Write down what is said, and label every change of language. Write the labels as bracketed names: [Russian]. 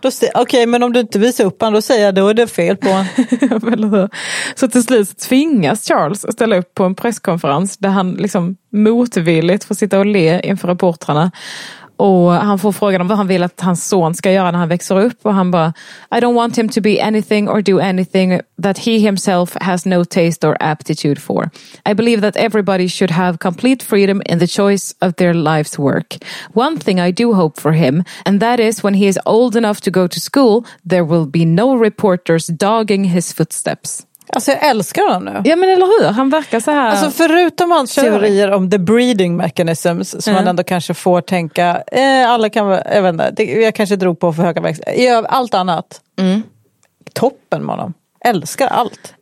[Swedish] Då okej, men om du inte visar upp han, då säger jag, då är det fel på han. Så till slut tvingas Charles ställa upp på en presskonferens där han liksom motvilligt får sitta och le inför reportrarna. Och han får frågan om vad han vill att hans son ska göra när han växer upp. Och han bara, [English] I don't want him to be anything or do anything that he himself has no taste or aptitude for. I believe that everybody should have complete freedom in the choice of their life's work. One thing I do hope for him, and that is when he is old enough to go to school, there will be no reporters dogging his footsteps. [Swedish] Alltså jag älskar honom nu. Ja men eller hur, han verkar så här. Alltså förutom hans teorier om [English] the breeding mechanisms [Swedish] som man ändå kanske får tänka alla kan vara, jag vet inte, det, jag kanske drog på för höga växlar. Allt annat. Mm. Toppen med honom. Älskar allt.